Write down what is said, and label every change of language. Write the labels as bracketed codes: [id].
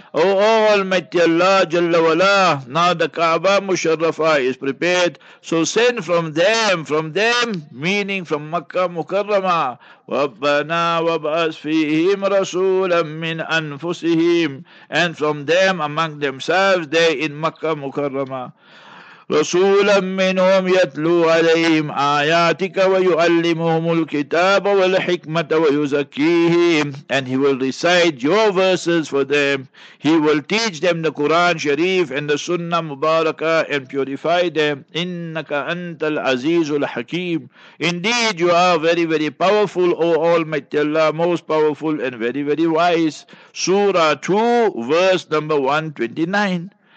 [en] Oh, Almighty Allah Jalla Wala, now the Kaaba Musharrafa is prepared, so send from them, meaning from Makkah Mukarrama, [ar] رَبَّنَا وَبْعَثْ فِيهِمْ رَسُولًا مِّنْ أَنفُسِهِمْ, [en] and from them among themselves there in Makkah Mukarrama. [ar] رسولا منهم يتلو عليهم آياتك ويعلمهم الكتاب والحكمة ويزكيهم, [en] and he will recite your verses for them. He will teach them the Quran Sharif and the Sunnah Mubaraka and purify them. [ar] إنك أنت العزيز الحكيم, [en] indeed you are very very powerful, O Almighty Allah, most powerful and very very wise. Surah 2 verse number 129.